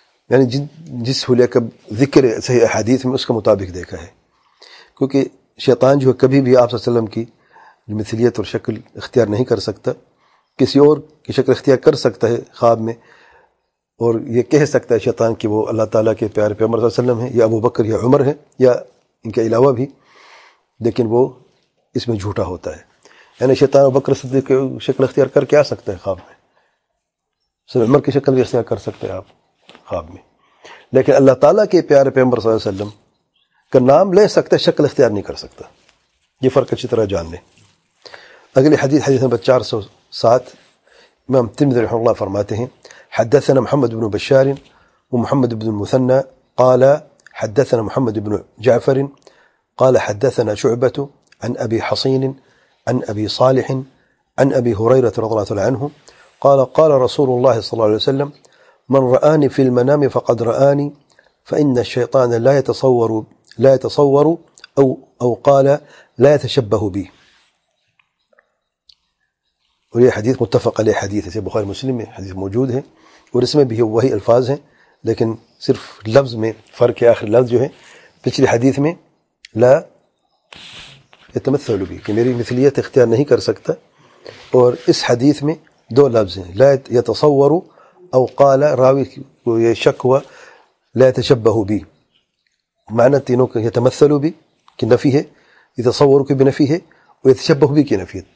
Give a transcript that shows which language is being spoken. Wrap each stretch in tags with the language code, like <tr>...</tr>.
<ur>یعنی جس حلیہ کا ذکر ہے صحیح احادیث میں اس کے مطابق دیکھا ہے، کیونکہ شیطان جو ہے کبھی بھی آپ صلی اللہ علیہ وسلم کی مثلیت اور شکل اختیار نہیں کر سکتا، کسی اور کی شکل اختیار کر سکتا ہے خواب میں، اور یہ کہہ سکتا ہے شیطان کہ وہ اللہ تعالیٰ کے پیارے پیغمبر صلی اللہ علیہ وسلم ہیں، یا ابو بکر، یا عمر ہیں، یا ان کے علاوہ بھی، لیکن وہ اس میں جھوٹا ہوتا ہے. یعنی شیطان ابو بکر صدیق کی شکل اختیار کر کے آ سکتا ہے خواب میں، صرف عمر کی شکل بھی اختیار کر سکتے ہیں آپ خواب میں، لیکن اللہ تعالیٰ کے پیارے پیغمبر صلی اللہ علیہ وسلم کا نام لے سکتا ہے، شکل اختیار نہیں کر سکتا. یہ فرق اچھی طرح جان لیں. اگلی حدیث، حدیث نمبر 407، امام ترمذی رحمہ اللہ فرماتے ہیں</ur> <ar>حدثنا محمد بن بشار ومحمد بن المثنى قال حدثنا محمد بن جعفر قال حدثنا شعبة عن أبي حصين عن أبي صالح عن أبي هريرة رضي الله عنه قال قال رسول الله صلى الله عليه وسلم من رآني في المنام فقد رآني فإن الشيطان لا يتصور أو قال لا يتشبه بي. وهي حديث متفق عليه حديث في البخاري ومسلم حديث</ar> <ur>موجود ہے اور اس میں بھی وہی الفاظ ہیں لیکن صرف لفظ میں فرق ہے. آخر لفظ جو ہے پچھلے حدیث میں</ur> <ar>لا يتمثل بي</ar> <ur>کہ میری مثلیت اختیار نہیں کر سکتا, اور اس حدیث میں دو لفظ ہیں</ur> <ar>لا يتصور</ar> <ur>او قال راوی کو یہ شک ہوا</ur> <ar>لا يتشبه بي,</ar> <ur>معنی تینوں کا يتمثل بي کی نفی ہے, يتصور کی بھی نفی ہے, وہ يتشبه بي کی نفی ہے.</ur>